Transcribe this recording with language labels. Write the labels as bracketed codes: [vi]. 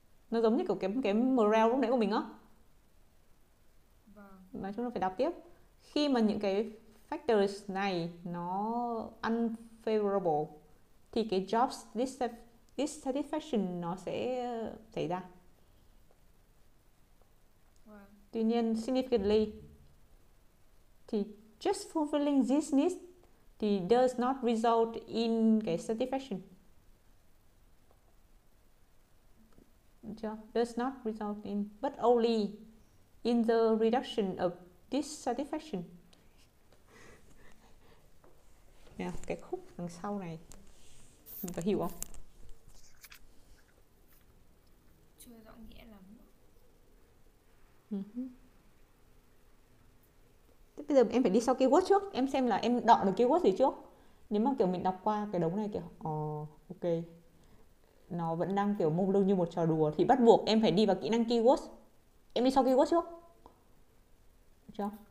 [vi] Nó giống như kiểu cái morale lúc nãy của mình á. Vâng. Nói chung là phải đọc tiếp. Khi mà những cái factors này nó unfavorable thì cái [en] jobs dissatisfaction [vi] nó sẽ xảy ra. Vâng. Tuy nhiên significantly thì [en] just fulfilling this need [vi] thì [en] does not result in [vi] cái satisfaction. Được chưa? [en] Does not result in but only in the reduction of dissatisfaction. [vi] Cái khúc đằng sau này mình có hiểu không? Chưa rõ nghĩa lắm. Thế bây giờ em phải đi sau keyword trước, em xem là em đọc được keyword gì trước. Nếu mà kiểu mình đọc qua cái đống này kiểu ok, nó vẫn đang kiểu mông lung như một trò đùa thì bắt buộc em phải đi vào kỹ năng keyword. Em đi sau keyword trước. Chưa?